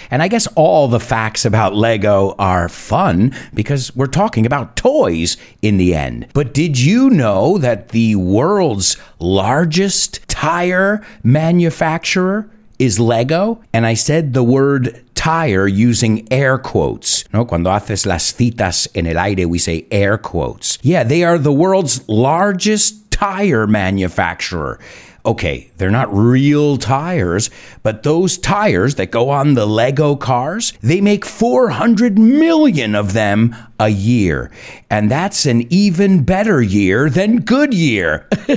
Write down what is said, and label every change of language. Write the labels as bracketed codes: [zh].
[en] And I guess all the facts about Lego are fun because we're talking about toys in the end. But did you know that the world's largest tire manufacturer is Lego? And I said the word tire using air quotes. [es] No, cuando haces las citas en el aire, [en] we say air quotes. Yeah, they are the world's largest tire manufacturer. Okay, they're not real tires, but those tires that go on the Lego cars, they make 400 million of them a year. And that's an even better year than Goodyear.